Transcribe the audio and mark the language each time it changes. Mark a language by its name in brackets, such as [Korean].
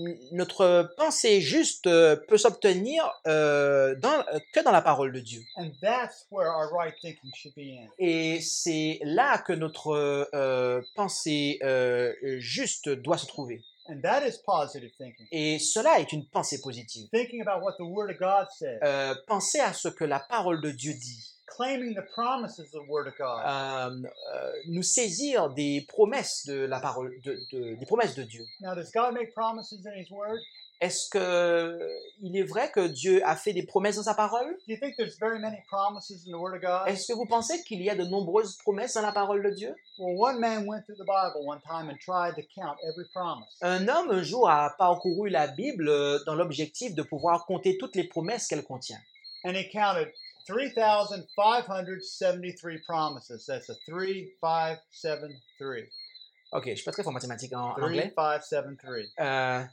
[French] Notre pensée juste peut s'obtenir que dans la parole de Dieu. [English] And that's where our right thinking should be in. [French] Et c'est là que notre pensée juste doit se trouver. [English] And that is positive thinking. [French] Et cela est une pensée positive. [English] Thinking about what the Word of God says. [French] Penser à ce que la parole de Dieu dit. [English] Claiming the promises of the Word of God. [French] Nous saisir des promesses de la parole des promesses de Dieu. [English] Now, does God make promises in His Word? [French] Est-ce que il est vrai que Dieu a fait des promesses dans sa parole? [English] Do you think there's very many promises in the Word of God? [French] Est-ce que vous pensez qu'il y a de nombreuses promesses dans la parole de Dieu? [English] Well, one man went through the Bible one time and tried to count every promise. [French] Un homme un jour a parcouru la Bible dans l'objectif de pouvoir compter toutes les promesses qu'elle contient. [English] And he counted 3,573 promises. That's a 3573. [French] Ok, je ne suis pas très fort en mathématiques en 3, anglais. 5, 7, 3.